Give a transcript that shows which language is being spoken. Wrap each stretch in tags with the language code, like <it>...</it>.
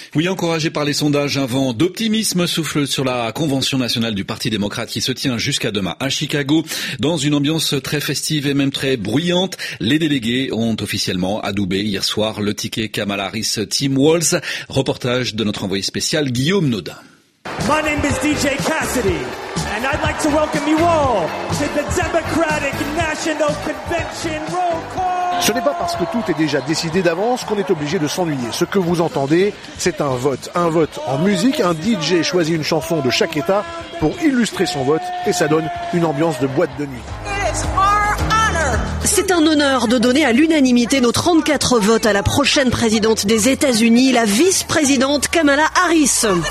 <fr>Oui, encouragé par les sondages, un vent d'optimisme souffle sur la convention nationale du Parti démocrate qui se tient jusqu'à demain à Chicago. Dans une ambiance très festive et même très bruyante, les délégués ont officiellement adoubé hier soir le ticket Kamala Harris-Tim Walz. Reportage de notre envoyé spécial Guillaume Nodin.</fr> <en>My name is DJ Cassidy. And I'd like to welcome you all to the Democratic National Convention Roll Call.</en> <fr>Ce n'est pas parce que tout est déjà décidé d'avance qu'on est obligé de s'ennuyer. Ce que vous entendez, c'est un vote en musique. Un DJ choisit une chanson de chaque État pour illustrer son vote et ça donne une ambiance de boîte de nuit. C'est un honneur de donner à l'unanimité nos 34 votes à la prochaine présidente des États-Unis, la vice-présidente Kamala Harris.</fr>